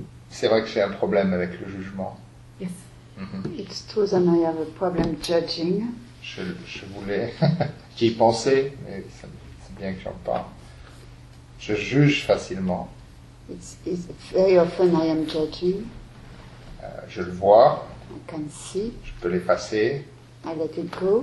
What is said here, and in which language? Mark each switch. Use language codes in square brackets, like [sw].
[fr] c'est vrai que j'ai un problème avec le jugement. [en] Yes. It's true that I have a problem judging. [fr] Je voulais, j'y pensais, mais c'est bien que j'en parle. Je juge facilement. [en] It's very often I am judging. [fr] Je le vois. [en] I can see. [fr] Je peux l'effacer. [en] I let it go.